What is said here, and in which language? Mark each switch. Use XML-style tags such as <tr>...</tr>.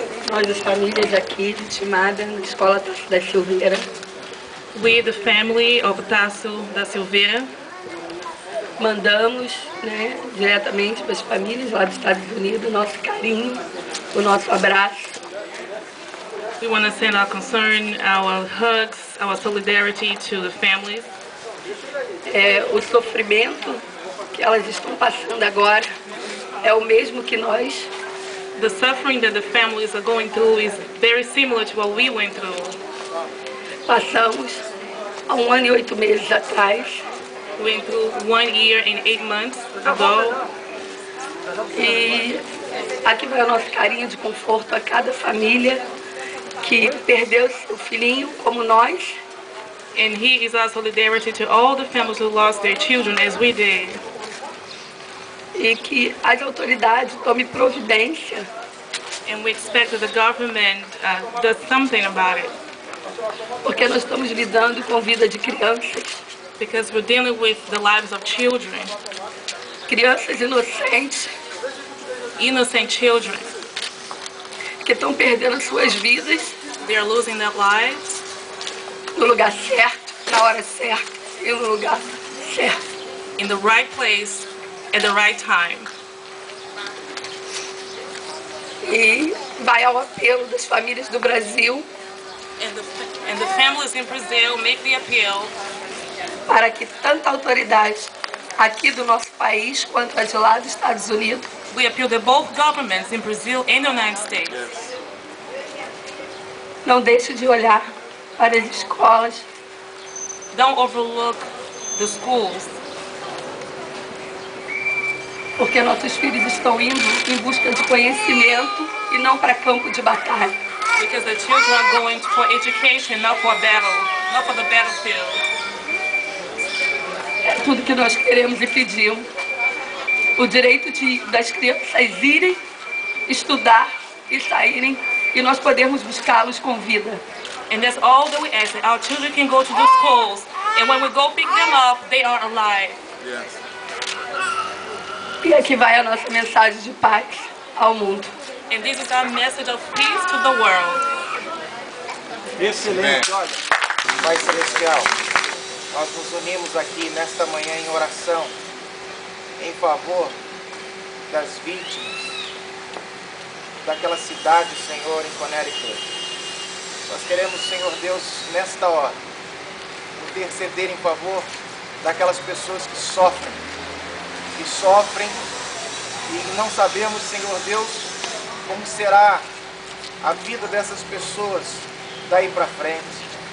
<pt>nós, as famílias aqui de Timada, na Escola Tasso da Silveira.</pt> <en>We, the family of Tasso da Silveira.</en> <pt>Mandamos, né, diretamente para as famílias lá dos Estados Unidos o nosso carinho, o nosso abraço.</pt> <en>We want to send our concern, our hugs, our solidarity to the families.</en> <pt>É, o sofrimento que elas estão passando agora é o mesmo que nós.</pt> <en>The suffering that the families are going through is very similar to what we went through.</en> <pt>Passamos há 1 ano e 8 meses atrás.</pt> <en>Went through 1 year and 8 months ago.</en> <pt>E aqui vai o nosso carinho de conforto a cada família que perdeu seu filhinho como nós.</pt> <en>And here is our solidarity to all the families who lost their children as we did.</en> <pt>E que as autoridades tome providência.</pt> <en>And we expect that the government does something about it.</en> <pt>Porque nós estamos lidando com a vida de crianças.</pt> <en>Because we're dealing with the lives of children.</en> <pt>Crianças inocentes.</pt> <en>Innocent children.</en> <pt>Que estão perdendo suas vidas.</pt> <en>They are losing their lives.</en> <pt>No lugar certo, na hora certa e no lugar certo.</pt> <en>In the right place, at the right time.</en> <pt>E vai ao apelo das famílias do Brasil.</pt> <en>And the families in Brazil make the appeal.</en> <pt>Para que tanta autoridade aqui do nosso país quanto a de lá dos Estados Unidos.</pt> <en>We appeal to both governments in Brazil and the United States. Yes.</en> <pt>Não deixe de olhar para as escolas.</pt> <en>Don't overlook the schools.</en> <pt>Porque nossos filhos estão indo em busca de conhecimento e não para campo de batalha.</pt> <en>Because the children are going for education, not for battle, not for the battlefield.</en> <pt>É tudo que nós queremos e pedimos. O direito das crianças irem estudar e saírem e nós podermos buscá-los com vida.</pt> <en>And that's all that we ask, that our children can go to the schools, and when we go pick them up, they are alive. Yes.</en> <pt>E aqui vai a nossa mensagem de paz ao mundo.</pt> <en>And this is our message of peace to the world.</en> <pt>Excelente, olha. Pai Celestial, nós nos unimos aqui nesta manhã em oração, em favor das vítimas daquela cidade, Senhor, em Connecticut. Nós queremos, Senhor Deus, nesta hora, interceder em favor daquelas pessoas que sofrem e não sabemos, Senhor Deus, como será a vida dessas pessoas daí para frente.</pt>